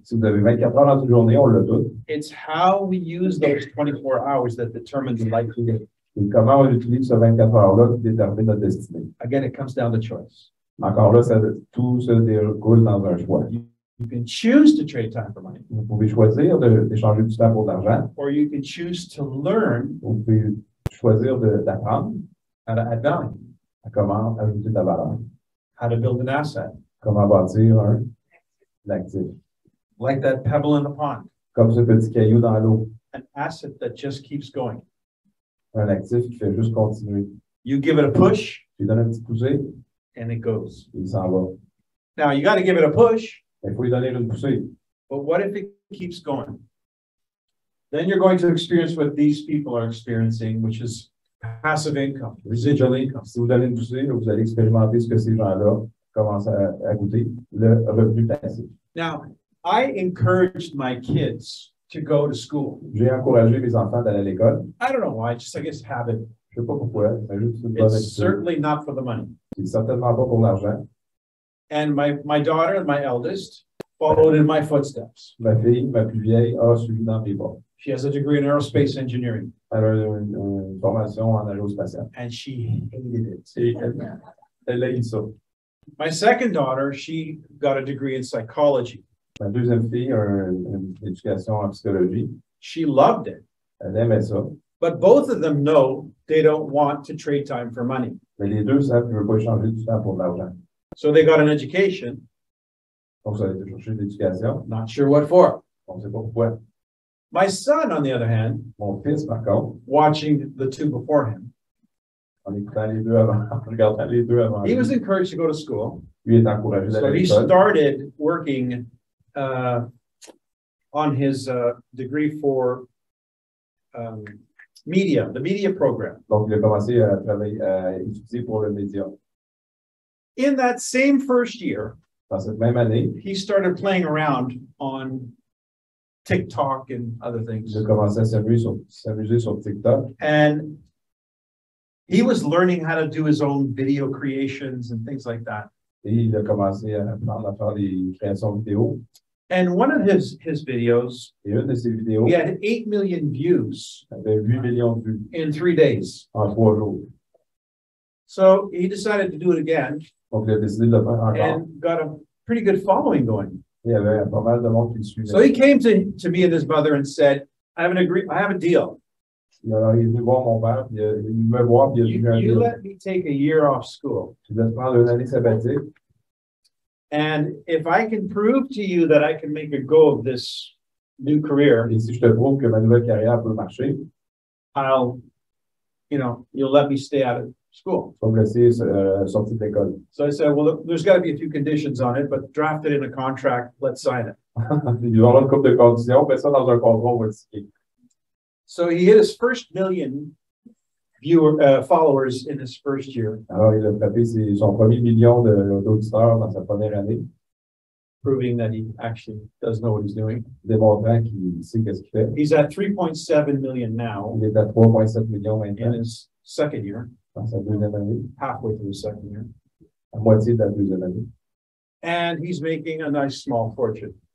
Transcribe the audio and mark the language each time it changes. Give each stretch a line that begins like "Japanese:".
French: Si vous avez 24 heures dans une journée, on le tout.
English: It's how we use those 24 hours that determines the likelihood.
French: Et comment on utilise ces 24 heures-là pour déterminer notre destinée.
English: Again, it comes down to choice.
French: Encore là, tout se déroule dans un choix.
English: You can choose to trade time for money.
French: Vous pouvez choisir d'échanger du temps pour l'argent.
English: Or you can choose to learn.
French: Vous pouvez choisir d'apprendre.
English: How to add value.
French: À comment ajouter de la valeur.
English: How to build an asset.
French: Comment bâtir un actif.
English: Like that pebble in the pond.
French: Comme ce petit caillou dans l'eau.
English: An asset that just keeps going.
French: Un actif qui fait juste continuer.
English: You give it a push.
French: Tu donnes un petit poussé.
English: And it goes.
French: Il s'en va.
English: Now you got to give it a push.
French: Il faut lui donner une poussée.
English: But what if it keeps going? Then you're going to experience what these people are experiencing, which is passive income, residual income.
French: Si vous donnez une poussée, vous allez expérimenter ce que ces gens-là commencent à goûter, le revenu passif.
English: Now, I encouraged my kids to go to school.
French: J'ai encouragé mes enfants d'aller à l'école.
English: I don't know why, just I guess habit.
French: Je sais pas pourquoi, mais juste une bonne habitude.
English: Certainly not for the money.
French: C'est certainement pas pour l'argent.
English: And my daughter, my eldest, followed in my footsteps.
French: Ma fille, ma plus vieille, a suivi dans mes pas.
English: She has a degree in aerospace engineering.
French: Elle a une formation en aérospatiale.
English: And she hated it.
French: Elle a eu ça.
English: My second daughter, she got a degree in psychology.
French: Ma deuxième fille a une éducation en psychologie.
English: She loved it.
French: Elle aimait ça.
English: But both of them know they don't want to trade time for money.
French: Mais les deux savent qu'ils ne veulent pas changer du temps pour l'argent.
English: So they got an education.
French: Donc, ça a été chercher une éducation.
English: Not sure what for.
French: On ne sait pas pourquoi.
English: My son, on the other hand,
French: mon fils, par contre,
English: watching the two before him,
French: en écoutant les deux avant, en regardant les deux avant,
English: he was encouraged to go to school.
French: Lui est encouragé d'aller à l'école.
English: So he started working on his degree for media, the media program.
French: Donc, il a commencé à travailler, à étudier pour le média.
English: In that same first year,
French: dans cette même année,
English: he started playing around on TikTok and other things.
French: Il a commencé à s'amuser sur TikTok.
English: And He was learning how to do his own video creations and things like that.
French: Et il a commencé à apprendre à faire des créations vidéo.
English: And one of his videos,
French: et une de ses vidéos,
English: he had 8 million views,
French: avait 8 millions de vues,
English: in 3 days.
French: En 3 jours.
English: So he decided to do it again.
French: Donc il a décidé de le faire encore.
English: And got a pretty good following going.
French: Il avait pas mal de monde qui le suivait.
English: So he came to me and his mother and said, I have a deal.
French: Alors, il est venu voir mon père, il me voit, puis il a
English: you let me take a year off school.
French: Je vais prendre une année sabbatique.
English: And if I can prove to you that I can make a go of this new career,
French: et si je te prouve que ma nouvelle carrière peut marcher,
English: I'll, you know, you'll let me stay out of school.
French: Pour me laisser sortir d'école.
English: So I said, well, there's got to be a few conditions on it, but draft it in a contract, let's sign it.
French: Il y aura une couple de conditions, mais ça dans un contrat, on va le signer.
English: So he hit his first million viewer followers in his first year.
French: Alors il a frappé son premier million d'auditeurs dans sa première année.
English: Proving that he actually does know what he's doing.
French: Démontrant qu'il sait qu'est-ce qu'il fait.
English: He's at 3.7 million now.
French: Il est à 3.7 millions maintenant.
English: In his second year.
French: Dans sa deuxième année.
English: Halfway through his second year.
French: À moitié de la deuxième année.
English: And he's making a nice small fortune.